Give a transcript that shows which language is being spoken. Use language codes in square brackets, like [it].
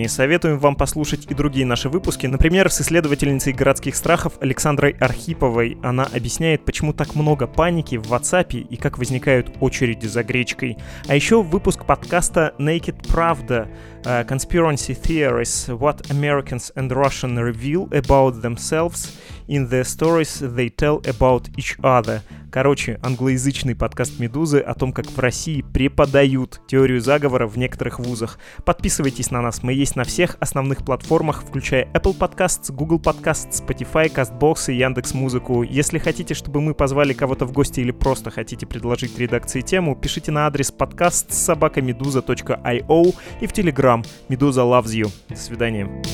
[ru] И советуем вам послушать и другие наши выпуски. Например, с исследовательницей городских страхов Александрой Архиповой. Она объясняет, почему так много паники в WhatsApp и как возникают очереди за гречкой. А еще выпуск подкаста «Naked Pravda» [en] «Conspiracy Theories. What Americans and Russians Reveal About Themselves in the Stories They Tell About Each Other». [ru] Короче, англоязычный подкаст «Медузы» о том, как в России преподают теорию заговора в некоторых вузах. Подписывайтесь на нас, мы есть на всех основных платформах, включая Apple Podcasts, Google Podcasts, Spotify, CastBox и Яндекс.Музыку. Если хотите, чтобы мы позвали кого-то в гости или просто хотите предложить редакции тему, пишите на адрес podcast@medusa.io и в Telegram «Медуза loves you». До свидания.